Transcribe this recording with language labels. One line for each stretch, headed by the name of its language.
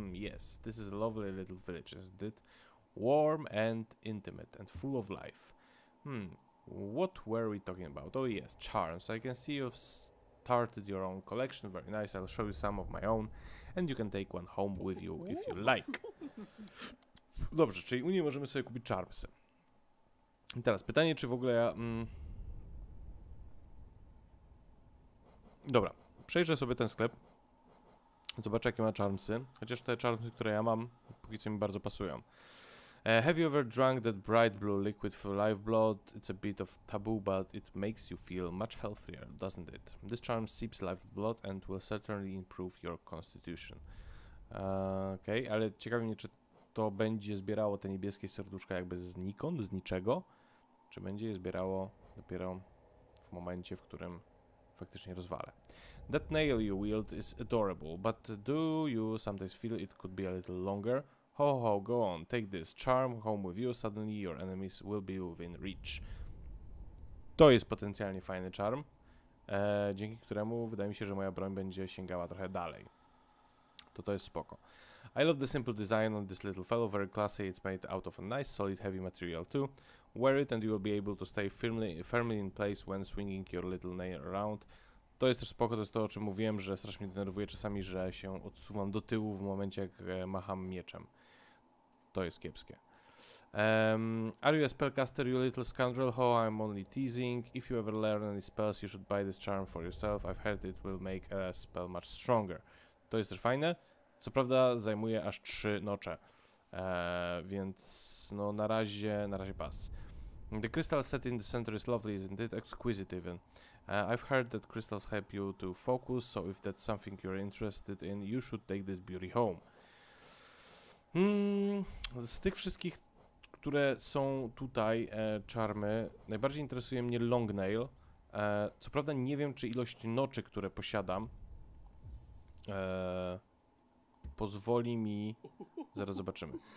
English: Yes, this is a lovely little village, isn't it? Warm and intimate and full of life. What were we talking about? Oh yes, charms. I can see you've started your own collection. Very nice. I'll show you some of my own. And you can take one home with you if you like.
Polish: Dobrze, czyli u niej możemy sobie kupić charmsy. I teraz pytanie, czy w ogóle ja... Dobra, przejrzę sobie ten sklep. Zobaczę, jakie ma charmsy. Chociaż te charmsy, które ja mam, póki co mi bardzo pasują.
English: Have you ever drunk that bright blue liquid for life blood? It's a bit of taboo, but it makes you feel much healthier, doesn't it? This charm seeps life blood and will certainly improve your constitution.
Polish: Okej, okay, ale ciekawi mnie, czy to będzie zbierało te niebieskie serduszka jakby znikąd, z niczego? Czy będzie je zbierało dopiero w momencie, w którym faktycznie rozwalę?
English: That nail you wield is adorable, but do you sometimes feel it could be a little longer? Ho, ho, go on, take this charm home with you, suddenly your enemies will be within reach.
Polish: To jest potencjalnie fajny charm, dzięki któremu wydaje mi się, że moja broń będzie sięgała trochę dalej. To jest spoko.
English: I love the simple design on this little fellow, very classy, it's made out of a nice solid heavy material too. Wear it and you will be able to stay firmly in place when swinging your little nail around.
Polish: To jest też spoko, to jest to, o czym mówiłem, że strasznie denerwuje czasami, że się odsuwam do tyłu w momencie, jak macham mieczem. To jest kiepskie.
English: Are you a spellcaster, you little scoundrel? Ho, I'm only teasing. If you ever learn any spells, you should buy this charm for yourself. I've heard it will make a spell much stronger.
Polish: To jest też fajne. Co prawda zajmuje aż 3 nocze. Więc no na razie pas.
English: The crystal set in the center is lovely, isn't it? Exquisite even. I've heard that crystals help you to focus, so if that's something you're interested in, you should take this beauty home.
Polish: Z tych wszystkich, które są tutaj, czarmy, najbardziej interesuje mnie long nail. Co prawda nie wiem, czy ilość noczy, które posiadam, pozwoli mi... Zaraz zobaczymy.